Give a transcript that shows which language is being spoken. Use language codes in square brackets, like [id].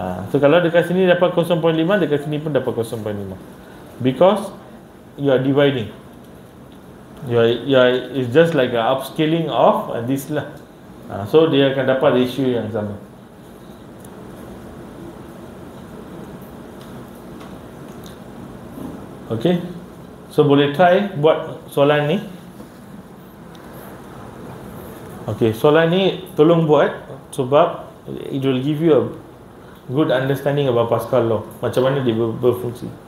[ms] So kalau dekat sini dapat 0.5, dekat sini pun dapat 0.5. [en] Because you are dividing, it's just like a upscaling of this lah. [ms] So dia akan dapat ratio yang sama. Okay, so boleh try buat soalan ni. Okay, soalan ni tolong buat sebab [en] it will give you a good understanding about Pascal law, [ms] macam mana dia berfungsi.